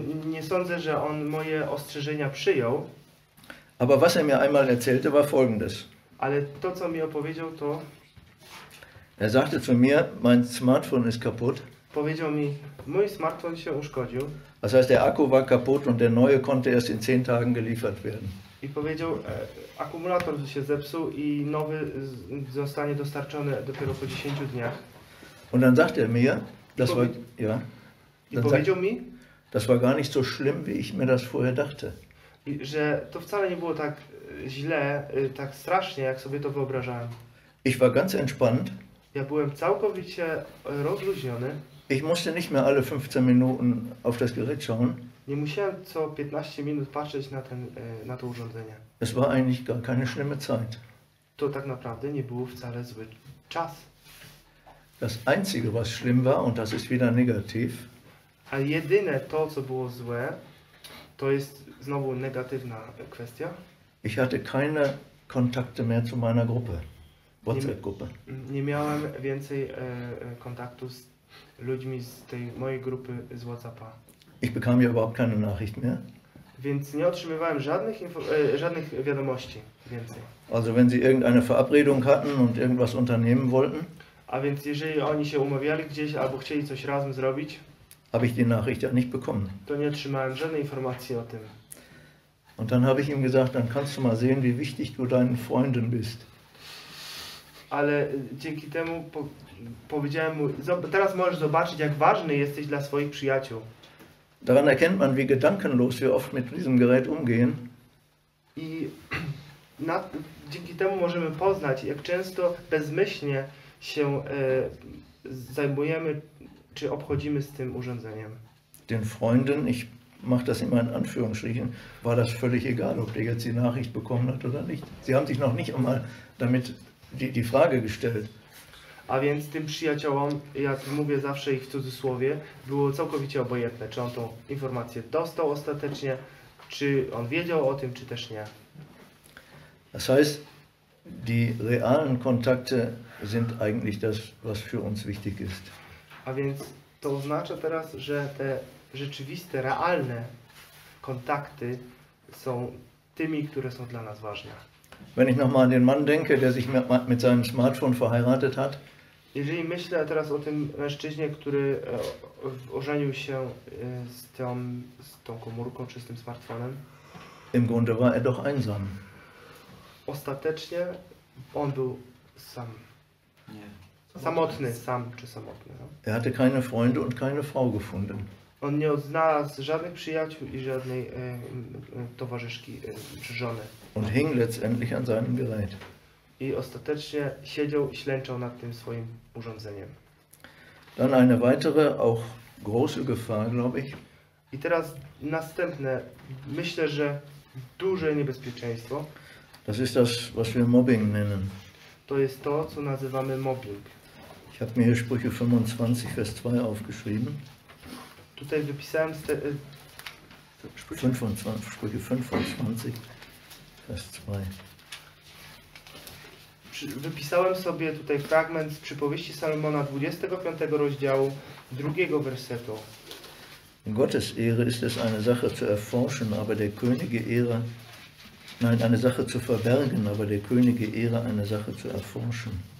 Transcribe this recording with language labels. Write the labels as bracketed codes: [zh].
[pl] Nie sądzę, że on moje ostrzeżenia przyjął. [de] Aber was er mir einmal erzählte, war folgendes. [pl] Ale to, co mi opowiedział, to... [de] Er sagte zu mir, mein Smartphone ist kaputt. [pl] Powiedział mi, mój smartfon się uszkodził. [de] Das heißt, der Akku war kaputt und der neue konnte erst in 10 Tagen geliefert werden. [pl] I powiedział, akumulator się zepsuł i nowy zostanie dostarczony dopiero po 10 dniach. [de] Und dann sagte er mir, das war, ja. [pl] I powiedział mi, [de] das war gar nicht so schlimm, wie ich mir das vorher dachte. [pl] Że to wcale nie było tak źle, tak strasznie, jak sobie to wyobrażałem. [de] Ich war ganz entspannt. [pl] Ja byłem całkowicie rozluźniony. [de] Ich musste nicht mehr alle 15 Minuten auf das Gerät schauen. [pl] Nie musiałem co 15 minut patrzeć na to urządzenie. [de] Es war eigentlich gar keine schlimme Zeit. [pl] To tak naprawdę nie był wcale zły czas. [de] Das einzige, was schlimm war, und das ist wieder negativ. [pl] A jedyne to, co było złe, to jest znowu negatywna kwestia. [de] Ich hatte keine Kontakte mehr zu meiner Gruppe. WhatsApp-Gruppe. [pl] Nie miałem więcej kontaktu z ludźmi z tej mojej grupy z WhatsAppa. [de] Ich bekam ja überhaupt keine Nachricht mehr. [pl] Więc nie otrzymywałem żadnych wiadomości więcej. [de] Also wenn sie irgendeine Verabredung hatten und irgendwas unternehmen wollten. [pl] A więc jeżeli oni się umawiali gdzieś albo chcieli coś razem zrobić. [de] Habe ich die Nachricht ja nicht bekommen. [pl] To nie otrzymałem żadnej informacji o tym. [de] Und dann habe ich ihm gesagt, dann kannst du mal sehen, wie wichtig du deinen Freunden bist. [pl] Ale dzięki temu powiedziałem mu, teraz możesz zobaczyć, jak ważny jesteś dla swoich przyjaciół. [de] Daran erkennt man, wie gedankenlos wir oft mit diesem Gerät umgehen. [pl] I dzięki temu możemy poznać, jak często bezmyślnie się zajmujemy czy obchodzimy z tym urządzeniem. [de] Den Freunden, ich mach das immer in Anführungsstrichen, war das völlig egal, ob der jetzt die Nachricht bekommen hat oder nicht. Sie haben sich noch nicht einmal damit die Frage gestellt. [pl] A więc tym przyjaciołom, jak mówię zawsze ich w cudzysłowie, było całkowicie obojętne, czy on tą informację dostał ostatecznie, czy on wiedział o tym, czy też nie. [de] Das heißt, die realen Kontakte sind eigentlich das, was für uns wichtig ist. [pl] A więc to oznacza teraz, że te rzeczywiste, realne kontakty są tymi, które są dla nas ważne. [de] Wenn ich nochmal an den Mann denke, der sich mit seinem Smartphone verheiratet hat. [pl] Jeżeli myślę teraz o tym mężczyźnie, który ożenił się z tą komórką czy z tym smartfonem. [de] Im Grunde war er doch einsam. [pl] Ostatecznie on był sam. Nie. Samotny, sam czy samotny. No? [de] Er hatte keine Freunde und keine Frau gefunden. [pl] On nie znalazł żadnych przyjaciół i żadnej towarzyszki czy żony. [de] Und hing letztendlich an seinem Gerät. [pl] I ostatecznie siedział i ślęczał nad tym swoim urządzeniem. [de] Dann eine weitere, auch große Gefahr, glaube ich. [pl] I teraz następne, myślę, że duże niebezpieczeństwo. [de] Das ist das, was wir Mobbing nennen. [pl] To jest to, co nazywamy mobbing. [de] Ich habe mir hier Sprüche 25, Vers 2 aufgeschrieben. [pl] Tutaj wypisałem [de] Sprüche 25, Vers 2. [pl] Wypisałem sobie tutaj fragment z przypowieści Salomona 25 rozdziału, drugiego wersetu. [de] Gottes Ehre ist es eine Sache zu erforschen, aber der Könige Ehre, nein, eine Sache zu verbergen, aber der Könige Ehre eine Sache zu erforschen.